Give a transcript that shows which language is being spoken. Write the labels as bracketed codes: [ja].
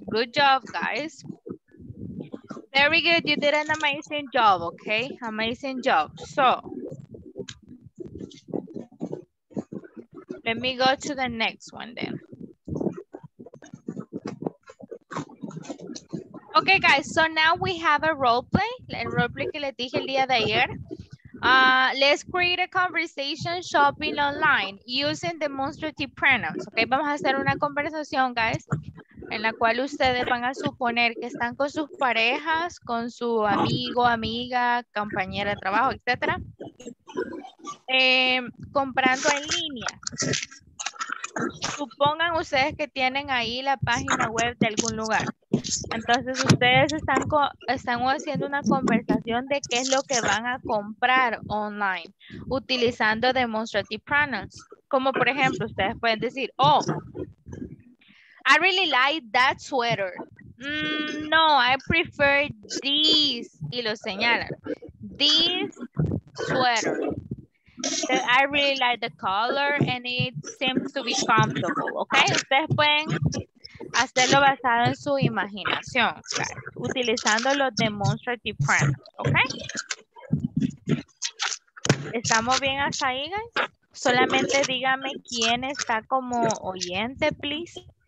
[en] Good job, guys. Very good. You did an amazing job, okay? Amazing job. So, let me go to the next one then. Ok, Okay, guys, so now we have a role play. El role play [es] que les dije el día de ayer. [en] Let's create a conversation shopping online using demonstrative pronouns. [es] Okay, vamos a hacer una conversación, guys, en la cual ustedes van a suponer que están con sus parejas, con su amigo, amiga, compañera de trabajo, etc. Comprando en línea. Supongan ustedes que tienen ahí la página web de algún lugar. Entonces ustedes están haciendo una conversación de qué es lo que van a comprar online utilizando demonstrative pronouns. Como por ejemplo, ustedes pueden decir, oh, [en] I really like that sweater. No, I prefer this. [es] Y lo señalan. [en] This sweater. I really like the color and it seems to be comfortable. [es] Okay, ustedes pueden hacerlo basado en su imaginación, guys, utilizando los demonstrative pronouns. Okay, estamos bien hasta ahí, guys. Solamente dígame quién está como oyente, please.